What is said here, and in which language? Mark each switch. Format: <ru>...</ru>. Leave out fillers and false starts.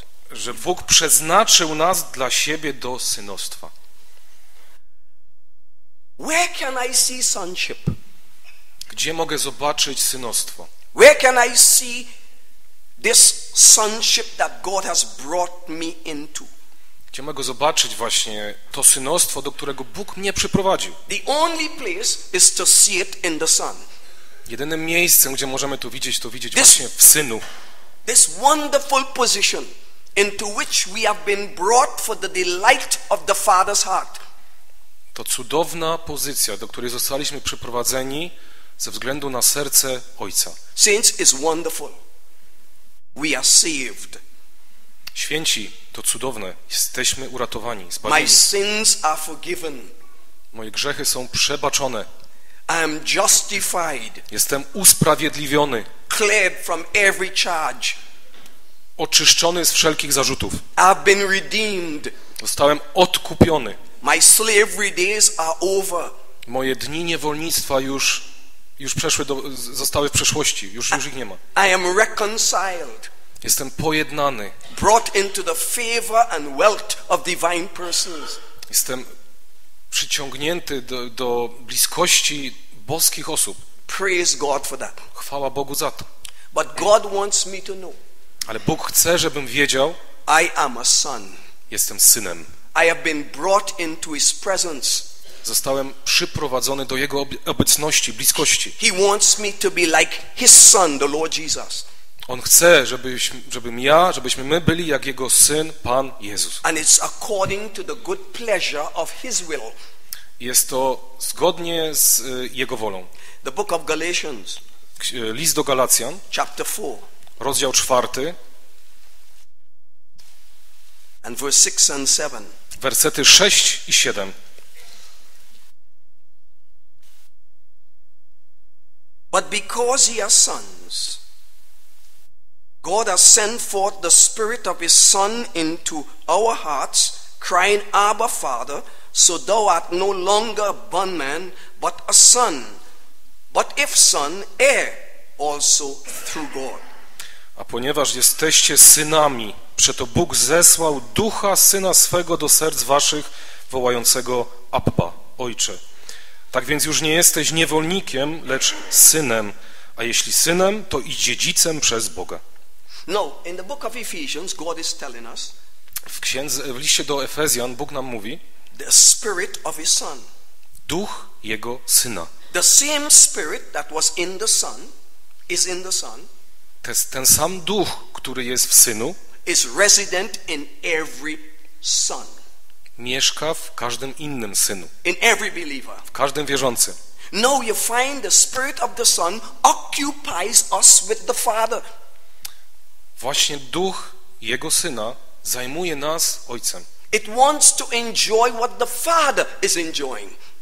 <pl>Że Bóg przeznaczył nas dla siebie do synostwa.</pl> <en>Where can I see sonship?</en> <pl>Gdzie mogę zobaczyć synostwo?</pl> <en>Where can I see this sonship that God has brought me into?</en> <pl>Gdzie mogę zobaczyć właśnie to synostwo, do którego Bóg mnie przyprowadził?</pl> <en>The only place is to see it in the Son.</en> <pl>Jedynym miejscem, gdzie możemy to widzieć</pl> <en>this,</en> <pl>właśnie w Synu.</pl> <en>This wonderful position into which we have been brought for the delight of the Father's heart.</en> <pl>To cudowna pozycja, do której zostaliśmy przyprowadzeni ze względu na serce Ojca.</pl> <en>Saints is wonderful. We are saved.</en> <pl>Święci, to cudowne. Jesteśmy uratowani, zbawieni.</pl> <en>My sins are forgiven.</en> <pl>Moje grzechy są przebaczone.</pl> <en>I am justified.</en> <pl>Jestem usprawiedliwiony.</pl> <en>Cleared from every charge.</en> <pl>Oczyszczony z wszelkich zarzutów.</pl> <en>I've been redeemed.</en> <pl>Zostałem odkupiony.</pl> <en>My slavery days are over.</en> <pl>Moje dni niewolnictwa już przeszły zostały w przeszłości. Już ich nie ma.</pl> <en>I am reconciled.</en> <pl>Jestem pojednany.</pl> <en>Brought into the favor and wealth of divine persons.</en> <pl>Jestem przyciągnięty do bliskości boskich osób.</pl> <en>Praise God for that.</en> <pl>Chwała Bogu za to.</pl> <en>But God wants me to know.</en> <pl>Ale Bóg chce, żebym wiedział.</pl> <en>I am a son.</en> <pl>Jestem synem.</pl> <en>I have been brought into his presence.</en> <pl>Zostałem przyprowadzony do jego obecności, bliskości.</pl> <en>He wants me to be like his son, the Lord Jesus.</en> <pl>On chce, żebyśmy my byli jak jego syn, Pan Jezus.</pl> <en>And it's according to the good pleasure of his will.</en> <pl>Jest to zgodnie z jego wolą.</pl> <en>The book of Galatians.</en> <pl>List do Galacjan.</pl> <en>Chapter 4.</en> <pl>Rozdział 4.</pl> <en>And verse 6 and 7.</en> <pl>Wersety 6 i 7.</pl> <en>But because ye are sons, God has sent forth the spirit of his son into our hearts, crying, Abba, Father, so thou art no longer a bondman, but a son. But if son, heir also through God.</en> <pl>A ponieważ jesteście synami, przeto Bóg zesłał ducha syna swego do serc waszych, wołającego Abba, Ojcze. Tak więc już nie jesteś niewolnikiem, lecz synem, a jeśli synem, to i dziedzicem przez Boga.</pl> <en>No, in the book of Ephesians, God is telling us,</en> <pl>w liście do Efezjan Bóg nam mówi,</pl> <en>the spirit of his son.</en> <pl>Duch jego syna.</pl> <en>The same spirit that was in the son is in the son.</en> <pl>Ten sam duch, który jest w synu,</pl> <en>is resident in every son.</en> <pl>Mieszka w każdym innym synu.</pl> <en>In every believer.</en> <pl>W każdym wierzącym.</pl> <en>No, you find the spirit of the son occupies us with the father.</en> <pl>Właśnie duch jego syna zajmuje nas ojcem.</pl> <en>It wants to enjoy what the father is enjoying.</en>